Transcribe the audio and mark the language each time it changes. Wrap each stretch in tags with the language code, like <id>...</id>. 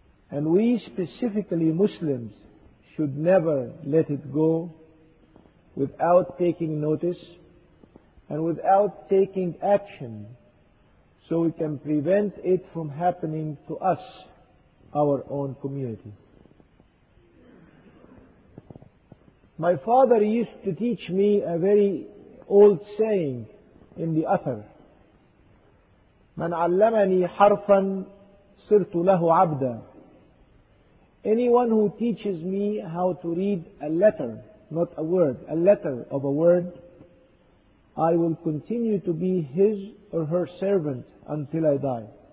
<en>And we specifically Muslims should never let it go without taking notice and without taking action, so we can prevent it from happening to us, our own community. My father used to teach me a very old saying in the Athar.</en> <ar>مَنْ عَلَّمَنِي حَرْفًا صِرْتُ لَهُ عَبْدًا.</ar> <en>Anyone who teaches me how to read a letter, not a word, a letter of a word, I will continue to be his or her servant until I die.</en>